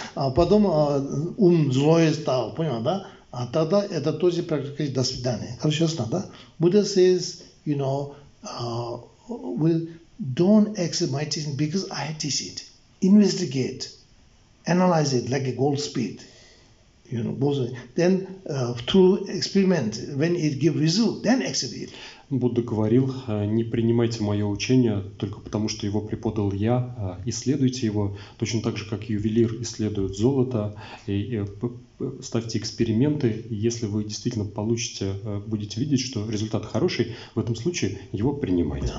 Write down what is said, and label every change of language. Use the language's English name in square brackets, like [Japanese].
[Russian] А потом ум злой стал, понял, да? А тогда это тоже практика. До свидания. Короче, ясно, да? [English] Buddha says, don't accept my teaching because I teach it. Investigate. Analyze it like a goldsmith. Then through experiment, when it give result, then accept it. [Russian] Будда говорил, не принимайте мое учение только потому, что его преподал я, исследуйте его точно так же, как ювелир исследует золото, и ставьте эксперименты, и если вы действительно будете видеть, что результат хороший, в этом случае его принимайте.